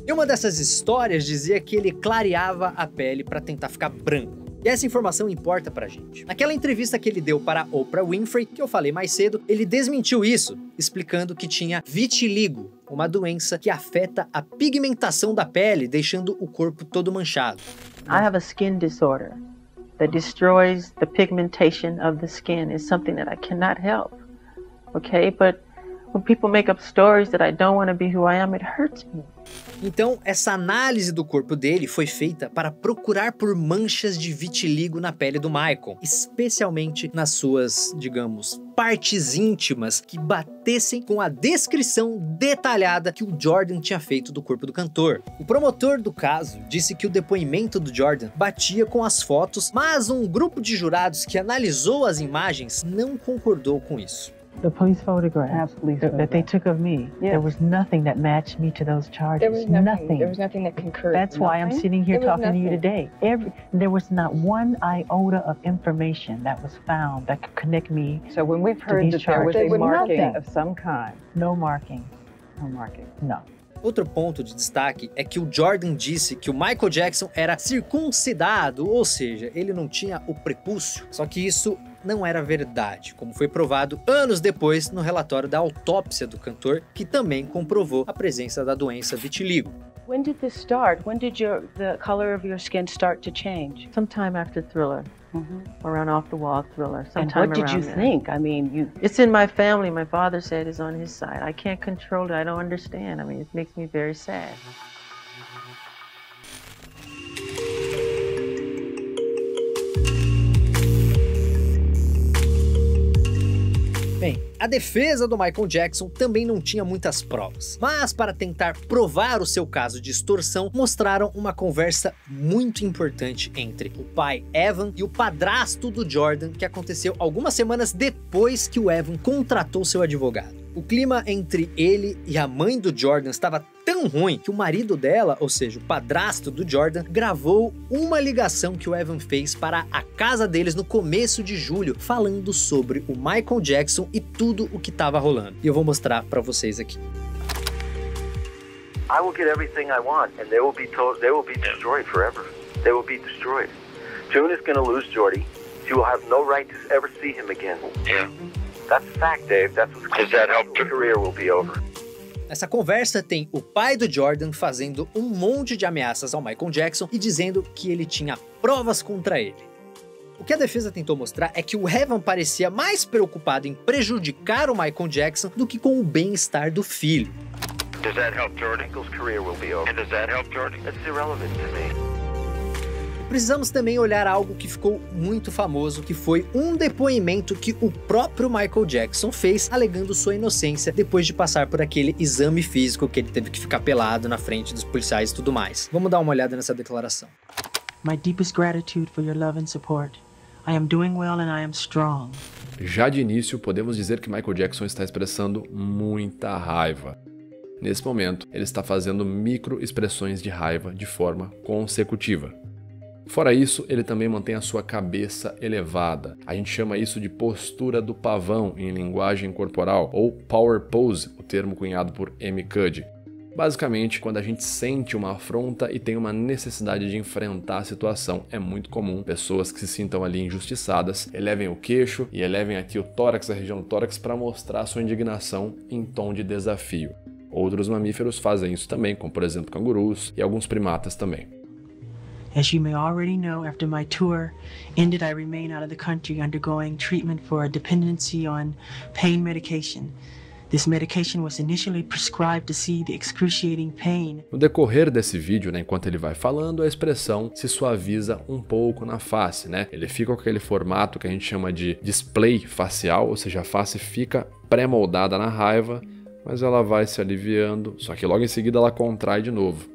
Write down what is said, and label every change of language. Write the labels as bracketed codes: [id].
[pt] E uma dessas histórias dizia que ele clareava a pele para tentar ficar branco. E essa informação importa pra gente. Naquela entrevista que ele deu para Oprah Winfrey, que eu falei mais cedo, ele desmentiu isso, explicando que tinha vitiligo, uma doença que afeta a pigmentação da pele, deixando o corpo todo manchado. [en] I have a skin disorder that destroys the pigmentation of the skin. It's something that I cannot help. Okay, but when people make up stories that I don't want to be who I am, it hurts me. [pt] Então, essa análise do corpo dele foi feita para procurar por manchas de vitiligo na pele do Michael, especialmente nas suas, digamos, partes íntimas que batessem com a descrição detalhada que o Jordan tinha feito do corpo do cantor. O promotor do caso disse que o depoimento do Jordan batia com as fotos, mas um grupo de jurados que analisou as imagens não concordou com isso. [en] The police photographs that they took of me, yeah. There was nothing that matched me to those charges. There was nothing. There was nothing that concurred. That's why I'm sitting here talking to you today. There was not one iota of information that was found that could connect me. So when we've heard that there was a marking of some kind. No marking. No. [pt] Outro ponto de destaque é que o Jordan disse que o Michael Jackson era circuncidado, ou seja, ele não tinha o prepúcio. Só que isso não era verdade, como foi provado anos depois no relatório da autópsia do cantor, que também comprovou a presença da doença vitiligo. [en] When did this start? When did the color of your skin start to change? Sometime after Thriller. Mm-hmm. Around Off the Wall Thriller. And what did you think? I mean, it's in my family. My father said it's on his side. I can't control it. I don't understand. I mean, it makes me very sad. [pt] Bem, a defesa do Michael Jackson também não tinha muitas provas, mas para tentar provar o seu caso de extorsão, mostraram uma conversa muito importante entre o pai Evan e o padrasto do Jordan, que aconteceu algumas semanas depois que o Evan contratou seu advogado. O clima entre ele e a mãe do Jordan estava tão ruim que o marido dela, ou seja, o padrasto do Jordan, gravou uma ligação que o Evan fez para a casa deles no começo de julho, falando sobre o Michael Jackson e tudo o que estava rolando. E eu vou mostrar para vocês aqui. [en] I will get everything I want and they will be told, they will be destroyed forever. They will be destroyed. June is going to lose Jordy. She will have no right to ever see him again. Yeah. That's fact, Dave. That's what's going to happen. Because that helped her career will be over. [pt] Essa conversa tem o pai do Jordan fazendo um monte de ameaças ao Michael Jackson e dizendo que ele tinha provas contra ele. O que a defesa tentou mostrar é que o Evan parecia mais preocupado em prejudicar o Michael Jackson do que com o bem-estar do filho. [en] Does that help Jordan? Michael's career will be over. And does that help Jordan? It's irrelevant to me. [pt] precisamos também olhar algo que ficou muito famoso, que foi um depoimento que o próprio Michael Jackson fez alegando sua inocência depois de passar por aquele exame físico que ele teve que ficar pelado na frente dos policiais e tudo mais. Vamos dar uma olhada nessa declaração. [en] My deepest gratitude for your love and support. I am doing well and I am strong. [pt] Já de início, podemos dizer que Michael Jackson está expressando muita raiva. Nesse momento, ele está fazendo micro-expressões de raiva de forma consecutiva. Fora isso, ele também mantém a sua cabeça elevada. A gente chama isso de postura do pavão em linguagem corporal, ou power pose, o termo cunhado por M. Cuddy. Basicamente, quando a gente sente uma afronta e tem uma necessidade de enfrentar a situação, é muito comum pessoas que se sintam ali injustiçadas elevem o queixo e elevem aqui o tórax, a região do tórax, para mostrar sua indignação em tom de desafio. Outros mamíferos fazem isso também, como por exemplo cangurus e alguns primatas também. [en] As you may already know, after my tour ended, I remain out of the country undergoing treatment for a dependency on pain medication. This medication was initially prescribed to see the excruciating pain. [pt] No decorrer desse vídeo, né, enquanto ele vai falando, a expressão se suaviza um pouco na face, né? Ele fica com aquele formato que a gente chama de display facial, ou seja, a face fica pré-moldada na raiva, mas ela vai se aliviando, só que logo em seguida ela contrai de novo.